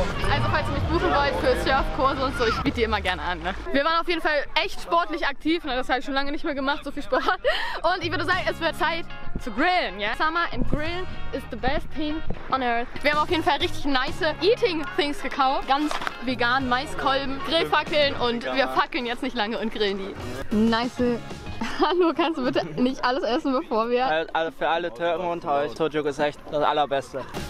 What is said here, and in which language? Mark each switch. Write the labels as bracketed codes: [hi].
[de] Also falls ihr mich buchen wollt für Surfkurse und so, ich biete die immer gerne an. Ne? Wir waren auf jeden Fall echt sportlich aktiv, ne? Das habe ich schon lange nicht mehr gemacht, so viel Sport. Und ich würde sagen, es wird Zeit zu grillen. [en] Yeah? Summer and grillen is the best thing on earth. [de] Wir haben auf jeden Fall richtig [en] nice eating things [de] gekauft. Ganz vegan, Maiskolben, Grillfackeln und wir fackeln jetzt nicht lange und grillen die. Nice. Hallo, kannst du bitte nicht alles essen, bevor wir... Also für alle Türken und euch, Tojuk ist echt das Allerbeste.